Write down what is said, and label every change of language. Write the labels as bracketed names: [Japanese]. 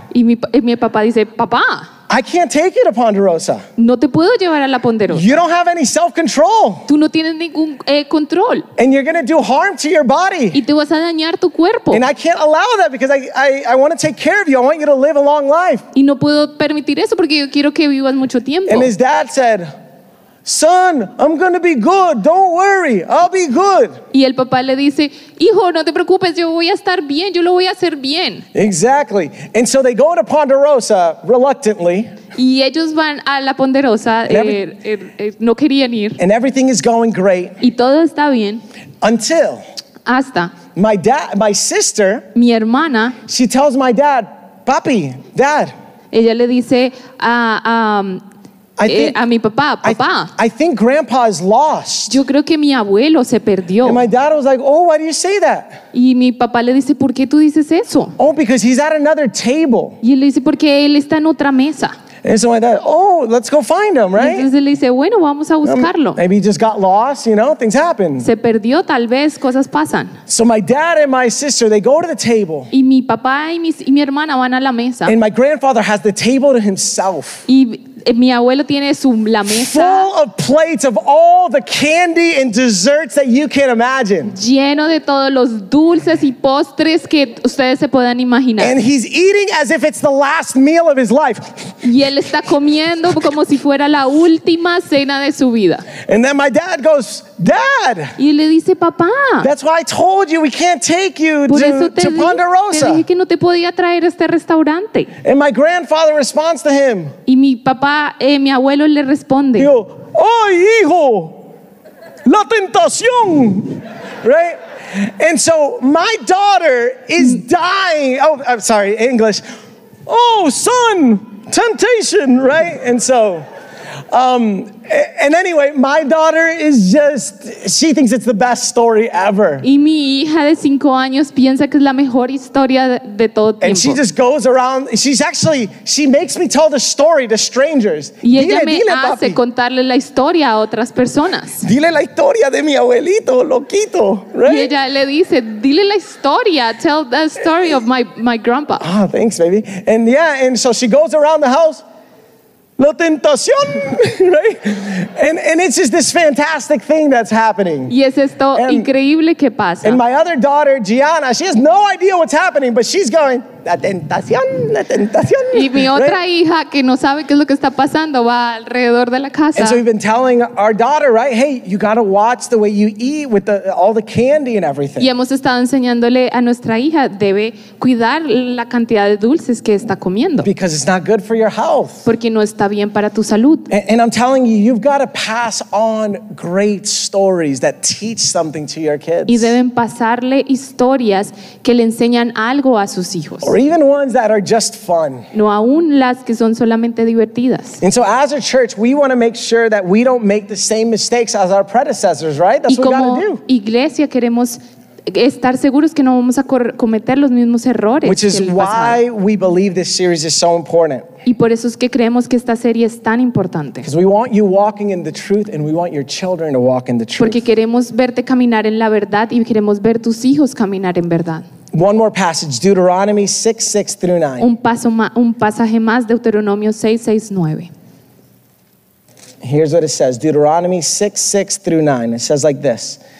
[Spanish] Y mi papá dice, Papá. [English] I can't take you to Ponderosa. [Spanish] No te puedo llevar a la Ponderosa. [English] You don't have any self-control. [Spanish] Tú no tienes ningún control. [English] And you're going to do harm to your body. [Spanish] Y te vas a dañar tu cuerpo. [English] And I can't allow that because I want to take care of you. I want you to live a long life. [Spanish] Y no puedo permitir eso porque yo quiero que vivas mucho tiempo. [English] And his dad said, Son, I'm going to be good. Don't worry. I'll be good. [Spanish] Y el papá le dice, Hijo, no te preocupes. Yo voy a estar bien. Yo lo voy a hacer bien. [English] Exactly. And so they go to Ponderosa reluctantly. [Spanish] Y ellos van a la Ponderosa. No querían ir. [English] And everything is going great. [Spanish] Y todo está bien. [English] Until [Spanish] hasta [English] my sister, [Spanish] mi hermana, [English] she tells my dad, papi, dad. [Spanish] Ella le dice a mi papá, papá. [English] I think grandpa is lost. [Spanish] Yo creo que mi abuelo se perdió. [English] And my dad was like, oh, why do you say that? [Spanish] Y mi papá le dice, ¿por qué tú dices eso? [English] Oh, because he's at another table. [Spanish] Y él le dice, porque él está en otra mesa. [English] And so my dad, oh, let's go find him, right? [Spanish] Entonces él dice, bueno, vamos a buscarlo. [English] Maybe he just got lost, you know, things happen. [Spanish] Se perdió, tal vez, cosas pasan. [English] So my dad and my sister, they go to the table. [Spanish] Y mi papá y mi hermana van a la mesa. [English] And my grandfather has the table to himself. [Spanish] Y mi abuelo tiene la mesa [English] full of plates of all the candy and desserts that you can imagine. [Spanish] Lleno de todos los dulces y postres que ustedes se puedan imaginar. [English] And he's eating as if it's the last meal of his life. [Spanish] Y él está comiendo como si fuera la última cena de su vida. [English] And then my dad goes, Dad. [Spanish] Y le dice, papá. [English] That's why I told you we can't take you to Ponderosa. [Spanish] Te dije que no te podía traer a este restaurante. [English] And my grandfather responds to him. [Spanish] Y mi papá mi abuelo le responde. Digo, ¡ay, hijo! ¡La tentación! [English] Right? And so, my daughter is dying. Oh, I'm sorry, English. ¡Oh, son! ¡Temptation! Right? And so, and anyway, my daughter is just, she thinks it's the best story ever. [Spanish] Y mi hija de 5 años piensa que es la mejor historia de todo tiempo. [English] And she just goes around, she makes me tell the story to strangers. [Spanish] Y ella hace contarle la historia a otras personas. Dile la historia de mi abuelito, loquito, [English] right? [Spanish] Y ella le dice, dile la historia, [English] tell the story of my grandpa. Ah, oh, thanks, baby. And yeah, and so she goes around the house. [Spanish] La tentación, [English] right? And it's just this fantastic thing that's happening. [Spanish] Y es esto increíble que pasa. [English] And my other daughter, Gianna, she has no idea what's happening, but she's going, [Spanish] la tentación, [English] right? [Spanish] Y mi otra hija que no sabe qué es lo que está pasando va alrededor de la casa. [English] And so we've been telling our daughter, right? Hey, you gotta watch the way you eat with all the candy and everything. [Spanish] Y hemos estado enseñándole a nuestra hija debe cuidar la cantidad de dulces que está comiendo. [English] Because it's not good for your health. [Spanish] Porque no está bien para tu salud. [English] And I'm telling you, you've got to pass on great stories that teach something to your kids. [Spanish] Y deben pasarle historias que le enseñan algo a sus hijos. [English] Or even ones that are just fun. [Spanish] No, aún las que son solamente divertidas. [English] And so as a church, we want to make sure that we don't make the same mistakes as our predecessors, right? That's what we got to do. [Spanish] Y como iglesia queremos estar seguros que no vamos a cometer los mismos errores. [English] Which is why we believe this series is so important. [Spanish] Y por eso es que creemos que esta serie es tan importante. [English] Because we want you walking in the truth and we want your children to walk in the truth. [Spanish] Porque queremos verte caminar en la verdad y queremos ver tus hijos caminar en verdad. [English] One more passage, Deuteronomy 6:6-9. [Spanish] Un pasaje más, Deuteronomio 6:6-9. [English] Here's what it says, Deuteronomy 6:6-9. It says like this.